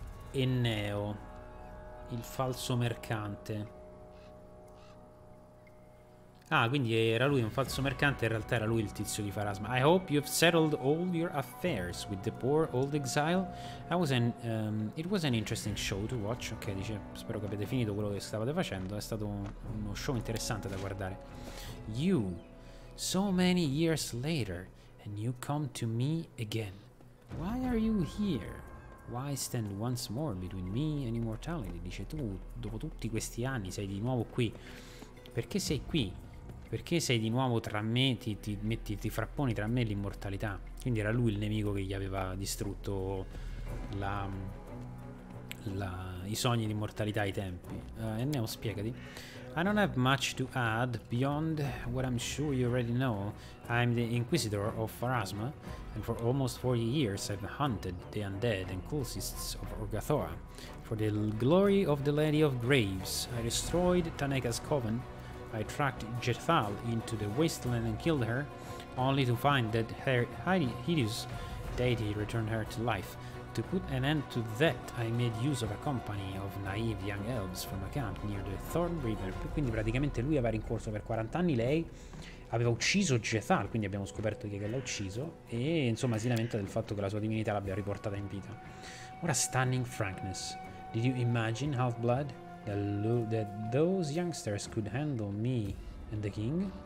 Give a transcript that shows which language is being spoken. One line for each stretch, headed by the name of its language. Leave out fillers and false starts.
Italian: e Neo, il falso mercante. Ah, quindi era lui un falso mercante, in realtà era lui il tizio di Farasma.
English: I hope you've settled all your affairs with the poor old exile. I was an, it was an interesting show to watch.
Italian: Ok, dice, spero che abbiate finito quello che stavate facendo. È stato uno show interessante da guardare.
English: You, so many years later, and you come to me again. Why are you here? Why stand once more between me and immortality?
Italian: Dice, tu, dopo tutti questi anni, sei di nuovo qui. Perché sei qui? Perché sei di nuovo tra me, ti frapponi tra me e l'immortalità? Quindi era lui il nemico che gli aveva distrutto i sogni di immortalità ai tempi. Enneo, spiegati.
English: I don't have much to add beyond what I'm sure you already know. I'm the Inquisitor of Farasma, and for almost 40 years I've hunted the undead and cultists of Urgathoa. For the glory of the Lady of Graves, I destroyed Taneka's coven. I tracked Jethal into the wasteland and killed her, only to find that her hideous deity returned her to life. To put an end to that, I made use of a company of naive young elves from a camp near the Thorn River.
Italian: Quindi praticamente lui aveva rincorso per 40 anni lei, aveva ucciso Jethal, quindi abbiamo scoperto chi è che l'ha ucciso, e insomma si lamenta del fatto che la sua divinità l'abbia riportata in vita.
English: What a stunning frankness. Did you imagine, Half-Blood? That those youngsters could handle me and the king.